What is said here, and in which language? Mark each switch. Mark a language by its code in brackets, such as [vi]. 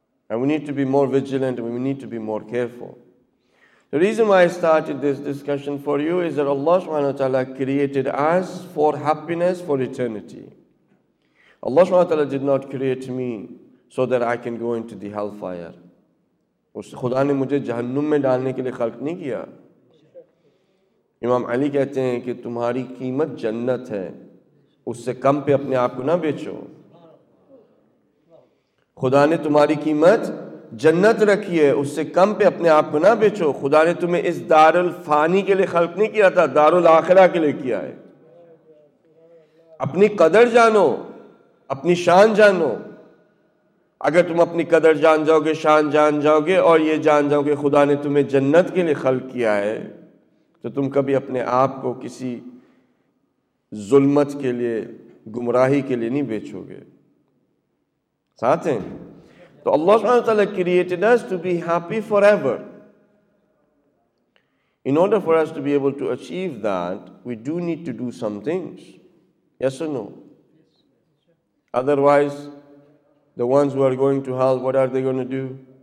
[en] And we need to be more vigilant, we need to be more careful. The reason why I started this discussion for you is that Allah subhanahu wa ta'ala created us for happiness for eternity. Allah subhanahu wa ta'ala did not create me so that I can go into the hellfire. [ur] خدا نے مجھے جہنم میں ڈالنے کے لیے خلق نہیں کیا. امام علی کہتے ہیں کہ تمہاری قیمت جنت ہے, اس سے کم پہ اپنے آپ کو نہ بیچو. خدا نے تمہاری قیمت جنت رکھی ہے, اس سے کم پہ اپنے آپ کو نہ بیچو. خدا نے تمہیں اس دار الفانی کے لیے خلق نہیں کیا تھا, دار الاخرہ کے لیے کیا ہے. اپنی قدر جانو, اپنی شان جانو. اگر تم اپنی قدر جان جاؤ گے, شان جان جاؤ گے اور یہ جان جاؤ گے خدا نے تمہیں جنت کے لیے خلق کیا ہے, تو تم کبھی اپنے آپ کو کسی ظلمت کے لیے, گمراہی کے لیے نہیں بیچو گے. ساتھ ہیں. [en] تو اللہ سبحانہ وتعالی created us to be happy forever. In order for us to be able to achieve that, we do need to do some things. Yes or no? Otherwise, the ones who are going to hell, what are they going to do?